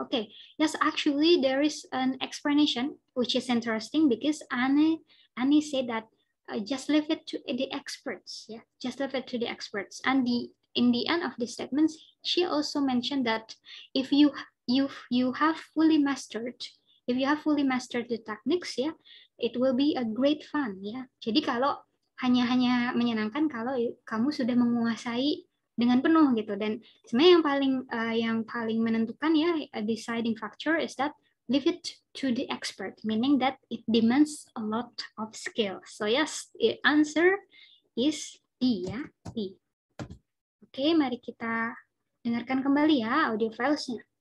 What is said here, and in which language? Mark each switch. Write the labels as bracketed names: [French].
[English] Okay, yes, actually there is an explanation which is interesting because Annie said that just leave it to the experts. Yeah, just leave it to the experts. And in the end of the statements, she also mentioned that if you have fully mastered the techniques, yeah, it will be a great fun. Yeah. [Indonesian] Jadi kalau hanya menyenangkan kalau kamu sudah menguasai dengan penuh gitu. Dan sebenarnya yang paling menentukan ya, [English] a deciding factor is that. Leave it to the expert, meaning that it demands a lot of skill. So yes, the answer is D, ya, D. [Indonesian] Okay, mari kita dengarkan kembali ya audio filesnya.